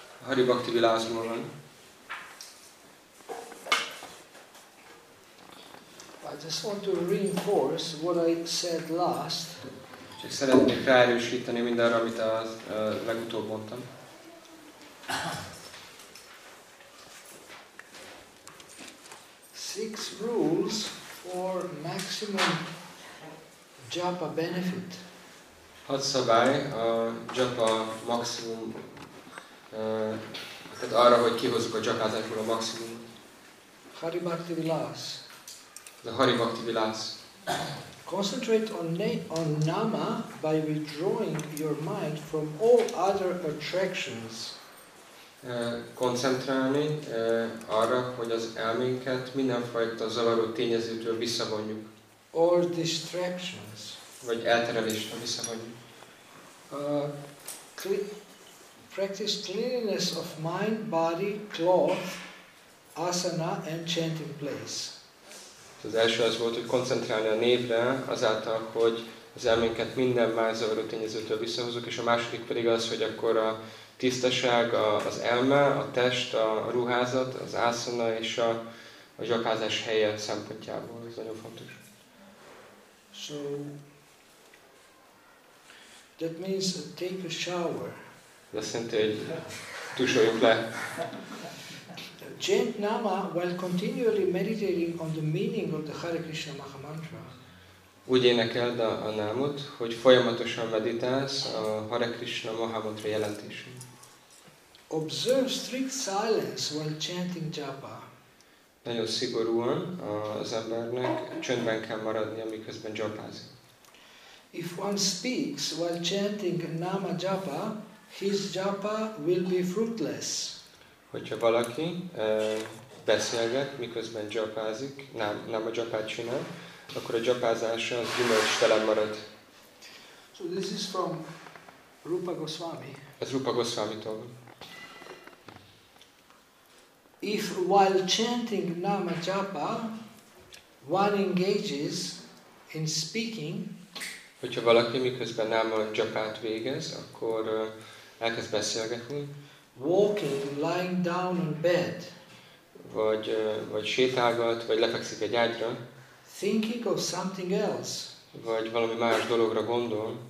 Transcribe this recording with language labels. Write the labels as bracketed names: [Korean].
[English] Hari Bhakti Vilas. I just want to reinforce what I said last. [Hungarian] Csak szeretnék felerősíteni mindarra, amit a legutóbb mondtam. [English] Six rules for maximum japa benefit. [Hungarian] Hat szabály a japa maximum, tehát arra, hogy kihozzuk a japázásból a maximum. [English] Hari Bhakti Vilas. The Hari Bhakti Vilas. Concentrate on nama by withdrawing your mind from all other attractions. [Hungarian] Koncentrálni arra, hogy az elménket mindenfajta zavaró tényezőtől visszavonjuk. [English] Or distractions. [Hungarian] Vagy elterelésre visszavonjuk. [English] Practice cleanliness of mind, body, cloth, asana and chanting place. [Hungarian] Az első az volt, hogy koncentrálni a névre, azáltal, hogy az elménket minden más zavaró tényezőtől visszahozok, és a második pedig az, hogy akkor a tisztaság, az elme, a test, a ruházat, az ászana és a zsakázás helye szempontjából. Ez nagyon fontos. [English] So, that means take a shower. [Hungarian] De azt jelenti, hogy tusoljunk le. [English] Chant nama while continually meditating on the meaning of the Hare Krishna Maha Mantra. [Hungarian] Úgy énekeld a námot, hogy folyamatosan meditálsz a Hare Krishna Maha Mantra jelentésén. [English] Observe strict silence while chanting japa. [Hungarian] Nagyon szigorúan az embernek csöndben kell maradni, miközben japázik. [English] If one speaks while chanting nama japa, his japa will be fruitless. [Hungarian] Hogyha valaki beszélget, miközben japázik, nem a japát csinál, akkor a japázása az gyümölcstelen marad. [English] So this is from Rupa Goswami. [Hungarian] Ez Rupa Goswami-tól. [English] If while chanting nama japa, one engages in speaking, [Hungarian] hogyha valaki miközben nama japát végez, akkor elkezd beszélgetni. [English] Walking, lying down on bed. [Hungarian] Vagy sétálgat, vagy lefekszik egy ágyra. [English] Thinking of something else. [Hungarian] Vagy valami más dologra gondol.